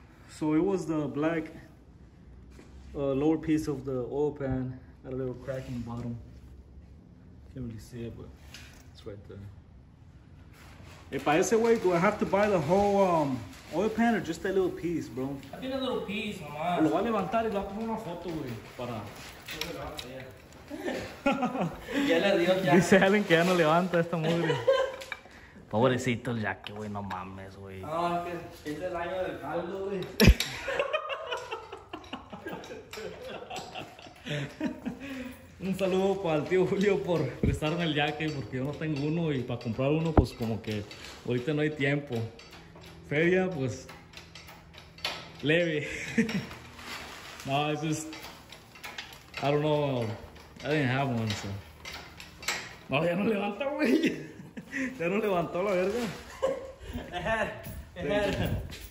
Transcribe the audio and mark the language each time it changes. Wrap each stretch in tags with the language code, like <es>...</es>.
<en>So it was the black lower piece of the oil pan. Got a little crack in the bottom. Can't really see it, but... Right there. If I say wait, do I have to buy the whole oil pan or just that little piece, bro? I think a little piece, man.</en> <es>Lo voy a levantar y lo voy a tomar una foto, güey. Para. Ya le dio ya. Dice alguien que ya no levanta esta mugre. Pobrecito el Jack, güey, no mames, güey. No, que es el año del caldo, güey.</es> <en>Yeah.</en> <es>Un saludo para el tío Julio por prestarme el yaque, porque yo no tengo uno y para comprar uno, pues como que ahorita no hay tiempo. Feria, pues leve.</es> <en>No, it's just, I don't know, I didn't have one, so.</en> <es>No, ya no levanta, güey. Ya no levantó la verga.</es> <en>Ahead.</en>